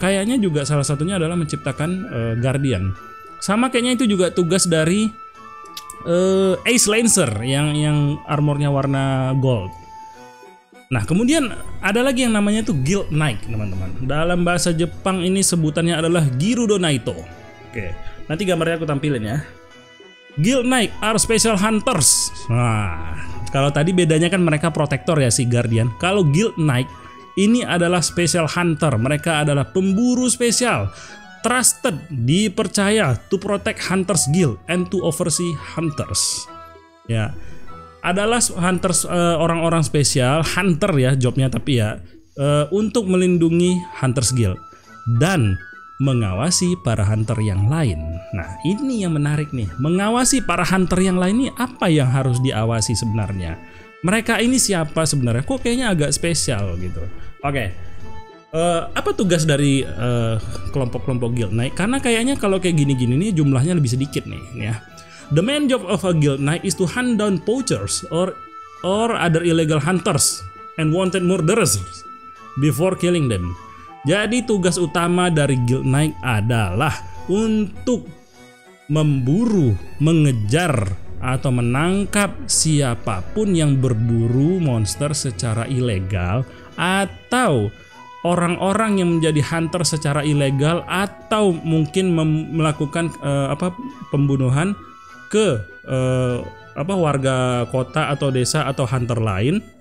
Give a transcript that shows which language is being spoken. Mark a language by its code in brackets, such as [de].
[id] Kayaknya juga salah satunya adalah menciptakan guardian. Sama kayaknya itu juga tugas dari Ace Lancer yang armornya warna gold. Nah, kemudian ada lagi yang namanya tuh Guild Knight, teman-teman. Dalam bahasa Jepang ini sebutannya adalah Girudo Naito. Oke, nanti gambarnya aku tampilin ya. [en] Guild Knight are special hunters. [id] Nah, kalau tadi bedanya kan mereka protector ya, si guardian. Kalau Guild Knight ini adalah special hunter. Mereka adalah pemburu spesial, trusted, dipercaya [en] to protect Hunter's Guild and to oversee hunters. [id] Ya. Adalah hunters, orang-orang spesial, hunter ya jobnya, tapi ya untuk melindungi Hunter's Guild dan mengawasi para hunter yang lain. Nah, ini yang menarik nih. Mengawasi para hunter yang lain ini apa yang harus diawasi sebenarnya? Mereka ini siapa sebenarnya? Kok kayaknya agak spesial gitu. Oke. Apa tugas dari kelompok-kelompok guild? Nah, karena kayaknya kalau kayak gini-gini nih jumlahnya lebih sedikit nih ya. [en] The main job of a guild knight is to hunt down poachers or other illegal hunters and wanted murderers before killing them. [id] Jadi tugas utama dari guild knight adalah untuk memburu, mengejar atau menangkap siapapun yang berburu monster secara ilegal, atau orang-orang yang menjadi hunter secara ilegal, atau mungkin melakukan pembunuhan ke warga kota atau desa atau hunter lain.